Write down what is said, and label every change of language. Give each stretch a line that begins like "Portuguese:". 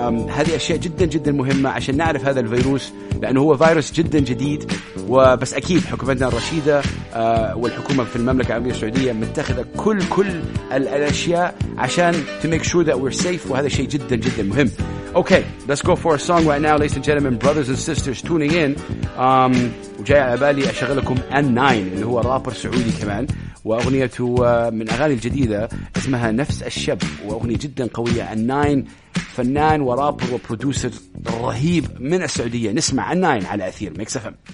Arabic: هذه أشياء جدا جدا مهمة عشان نعرف هذا الفيروس، لأنه هو فيروس جدا جديد. وبس أكيد حكومتنا الرشيدة والحكومة في المملكة العربية السعودية متخذة كل الأشياء عشان
English: to make sure that we're safe،
Arabic: وهذا شيء جدا جدا مهم.
English: Okay, let's go for a song right now, ladies and gentlemen, brothers and sisters tuning in.
Arabic: وجاي على بالي أشغل لكم N9 اللي هو رابر سعودي كمان، وأغنيته من أغاني الجديدة اسمها نفس الشب، وأغنية جدا قوية. N9 فنان ورابر وبرودوسر رهيب من السعودية. نسمع N9 على أثير ميكس أفم.